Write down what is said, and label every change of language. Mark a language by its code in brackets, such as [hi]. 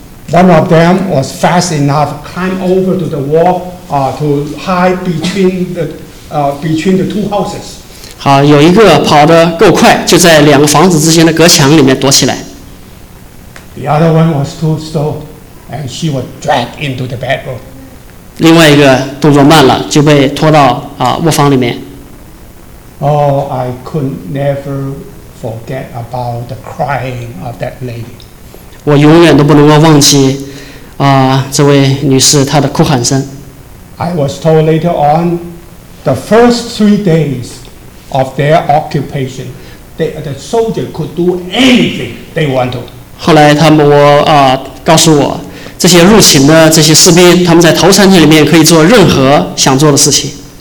[en] one of them was fast enough climb over to the wall to hide between the two houses [zh] 有一个跑得够快，就在两个房子之间的隔墙里面躲起来。 [en] The other one was too slow, and she was dragged into the bedroom. [zh] 另外一个动作慢了，就被拖到卧房里面。 [en] Oh, I could never forget about the crying of that lady. [zh] 我永远都不能够忘记这位女士她的哭喊声。 [en] I was told later on, the first 3 days. Of their occupation, the soldier could do anything they wanted. [zh] 后来他们告诉我，这些入侵的这些士兵，他们在头3天里面可以做任何想做的事情。